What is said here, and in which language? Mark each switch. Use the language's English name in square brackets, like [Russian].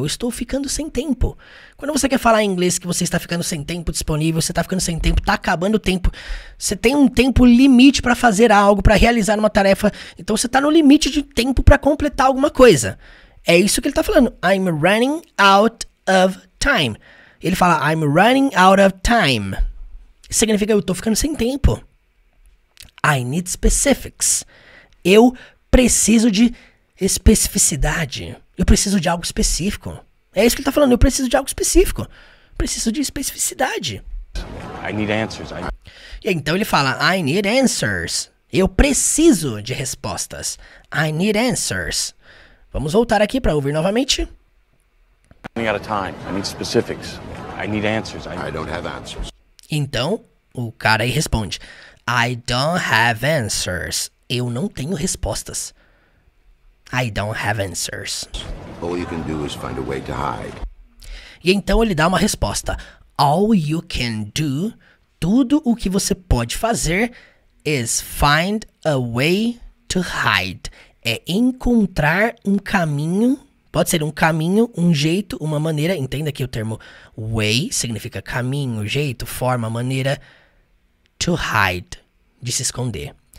[Portuguese] Eu estou ficando sem tempo. Quando você quer falar em inglês que você está ficando sem tempo disponível, você está ficando sem tempo, está acabando o tempo. Você tem um tempo limite para fazer algo, para realizar uma tarefa. Então você está no limite de tempo para completar alguma coisa. É isso que ele tá falando. [English] I'm running out of time. [Portuguese] Ele fala, [English] I'm running out of time. [Portuguese] Significa, eu tô ficando sem tempo. [English] I need specifics. [Portuguese] Eu preciso de especificidade. Eu preciso de algo específico. É isso que ele tá falando. Eu preciso de algo específico. Preciso de especificidade. [English] I need answers. [Portuguese] E então ele fala, [English] I need answers. [Portuguese] Eu preciso de respostas. [English] I need answers. [Portuguese] Vamos voltar aqui para ouvir novamente. [English] I'm running out of time. I need specifics. I need answers. I don't have answers. [Portuguese] Então, o cara aí responde. [English] I don't have answers. [Portuguese] Eu não tenho respostas. [English] I don't have answers. All you can do is find a way to hide. [Portuguese] E então ele dá uma resposta. [English] All you can do, [Portuguese] tudo o que você pode fazer, [English] is find a way to hide. [Portuguese] É encontrar um caminho, pode ser um caminho, um jeito, uma maneira, entenda aqui o termo way, significa caminho, jeito, forma, maneira, [English] to hide, [Portuguese] de se esconder.